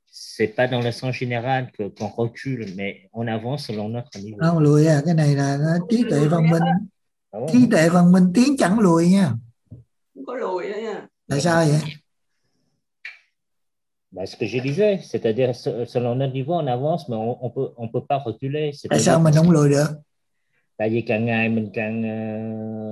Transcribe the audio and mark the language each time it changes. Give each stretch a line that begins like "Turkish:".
French: C'est pas dans le sens général qu'on recule, mais on avance selon notre niveau.
Vietnamese: Không lùi à, cái này là trí tuệ văn minh. Trí tuệ văn minh tiến chẳng lùi nha. Không có lùi nha. Tại sao vậy?
French: Bah, ce que je disais, c'est-à-dire selon notre niveau, on avance, mais on peut pas reculer.
Vietnamese: Tại sao mình không lùi được? Tại vì càng ngày mình càng...